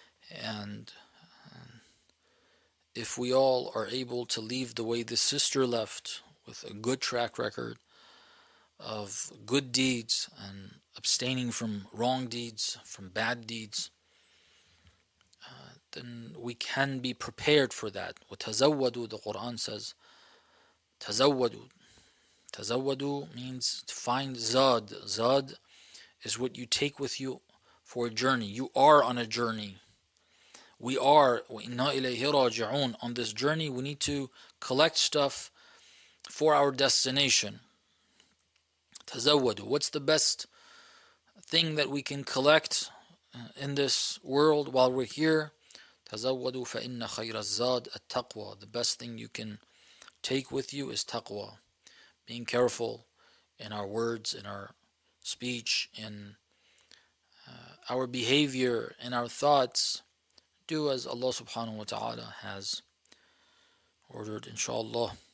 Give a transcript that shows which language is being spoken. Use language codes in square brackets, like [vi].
[en] And if we all are able to leave the way the sister left, with a good track record of good deeds and abstaining from wrong deeds, from bad deeds, then we can be prepared for that. [ar] وتزودوا, [en] the Quran says, تزودوا. تزودوا means to find zad. Zad is what you take with you for a journey. You are on a journey. We are, [ar] وَإِنَّا إِلَيْهِ رَاجِعُونَ. [en] On this journey, we need to collect stuff for our destination. [ar] تزودوا. [en] What's the best thing that we can collect in this world while we're here? [ar] تزودوا فإن خير الزاد التقوى. [en] The best thing you can take with you is taqwa. Being careful in our words, in our speech, in our behavior, in our thoughts. Do as Allah subhanahu wa ta'ala has ordered, inshallah.